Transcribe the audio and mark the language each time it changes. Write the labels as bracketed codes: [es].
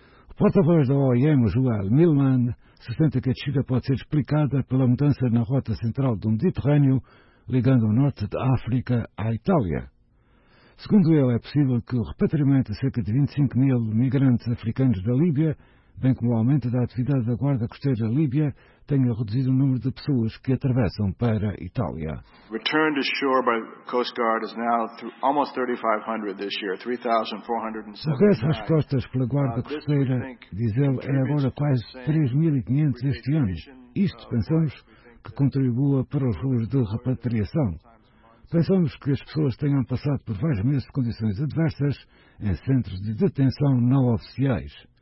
[pt] O porta-voz da OIM, João Milman, sustenta que a descida pode ser explicada pela mudança na rota central do Mediterrâneo, ligando o norte da África à Itália. Segundo ele, é possível que o repatriamento de cerca de 25 mil migrantes africanos da Líbia, bem como o aumento da atividade da Guarda Costeira Líbia, tenha reduzido o número de pessoas que atravessam para a Itália. [en] Return to shore by Coast Guard is now through almost 3,500 this year, 3,479. [pt] O regresso às costas pela Guarda Costeira, diz ele, é agora quase 3.500 este ano. Isto, pensamos, que contribua para os rumos de repatriação. Pensamos que as pessoas tenham passado por vários meses de condições adversas em centros de detenção não oficiais.